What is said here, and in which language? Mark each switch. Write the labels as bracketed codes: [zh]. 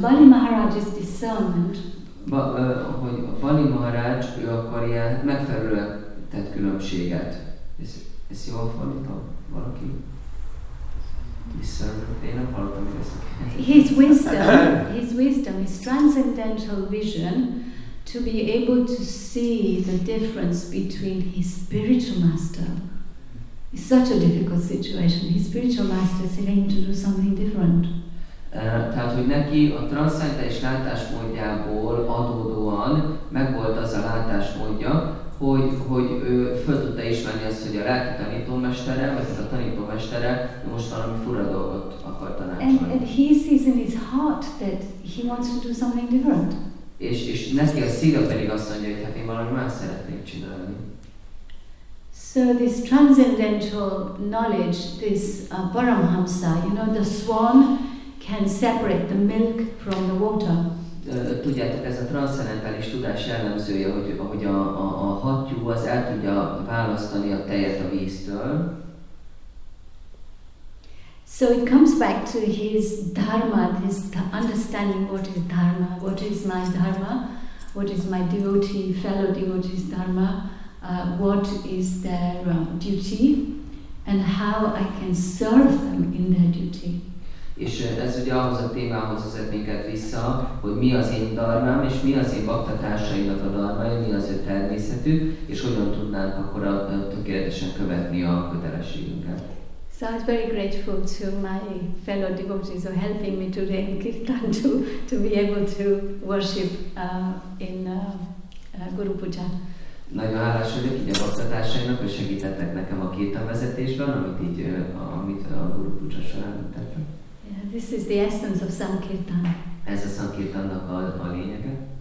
[en] Bali Maharaj is discernment. [hu] Hogy Bali Maharaj, ő akar ilyen megfelelően tett különbséget. Ez jól fordítom? Valaki? Discernment. Én nem hallottam, hogy ezt. [en] His wisdom, his transcendental vision to be able to see the difference between his spiritual master. It's such a difficult situation. His spiritual master is saying to do something different. [hu] Tehát, hogy neki a transzcendentális látásmódjából adódóan megvolt az a látásmódja, hogy ő föl tudta ismerni azt, hogy a lelki tanítómestere, vagy a tanítómestere most valami fura dolgot akar tanácsolni. [en] And he sees in his heart that he wants to do something different. [hu] És neki a szíve pedig azt mondja, hogy hát én valami más szeretnék csinálni. [en] So this transcendental knowledge, this paramhamsa, you know, the swan, can separate the milk from the water. [hu] Tudjátok, ez a transzcendentális tudás jellemzője, hogy ahogy a hattyú az el tudja választani a tejet a víztől. [en] So it comes back to his dharma, his understanding what is dharma, what is my dharma, what is my devotee, fellow devotee's dharma, what is their duty, and how I can serve them in their duty. [hu] És ez ugye ahhoz a témához vezet minket vissza, hogy mi az én darmám, és mi az én baktatársaimnak a darmája, mi az ő természetük, és hogyan tudnánk akkor tökéletesen követni a kötelességünket. [en] So I was very grateful to my fellow devotees for helping me today in Kirtan to be able to worship in Guru Puja. [hu] Nagyon hálás vagyok így a baktatársaimnak, hogy segítettek nekem a kirtan vezetésben, amit a Guru Puja során tettem. [en] Yeah, this is the essence of Sankirtan. [hu] Ez a Sankirtannak a lényege.